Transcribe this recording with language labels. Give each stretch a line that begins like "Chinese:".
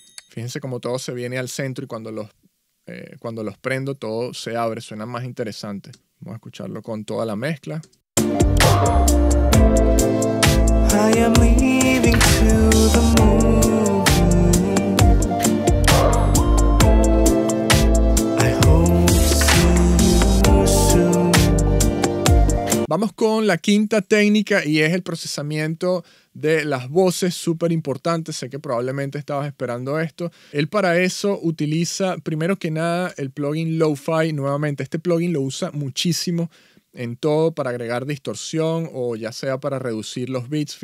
Spanish: Fíjense cómo todo se viene al centro y cuando los prendo, todo se abre, suena más interesante. Vamos a escucharlo con toda la mezcla.
English: I am leaving to the moon. I hope to see you soon.
Spanish: Vamos con la quinta técnica y es el procesamiento de las voces, súper importante. Sé que probablemente estabas esperando esto. Él para eso utiliza, primero que nada, el plugin Lo-Fi. Nuevamente, este plugin lo usa muchísimo en todo para agregar distorsión o ya sea para reducir los beats.